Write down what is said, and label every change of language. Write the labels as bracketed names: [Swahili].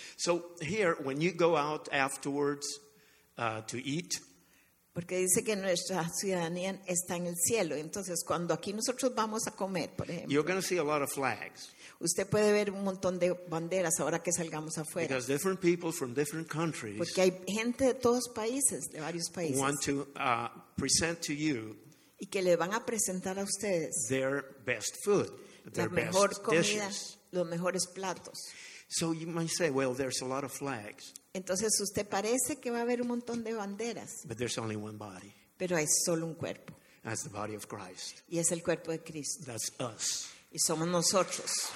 [English] So here when you go out afterwards to eat. [Spanish] Porque dice que nuestra ciudadanía está en el cielo. Entonces cuando aquí nosotros vamos a comer, por ejemplo. [English] You're going to see a lot of flags. [Spanish] Usted puede ver un montón de banderas ahora que salgamos afuera. [English] Because different people from different countries. [Spanish] Porque hay gente de todos países, de varios países. [English] Want to present to you. [Spanish] Y que le van a presentar a ustedes. [English] Their best food. Their [Spanish] la mejor [English] best [Spanish] comida, [English] dishes. [Spanish] Los mejores platos. [English] So you might say, well, there's a lot of flags. [Spanish] Entonces usted parece que va a haber un montón de banderas. [English] But there's only one body. [Spanish] Pero hay solo un cuerpo. [English] That's the body of Christ. [Spanish] Y es el cuerpo de Cristo. [English] That's us. [Spanish] Y somos nosotros.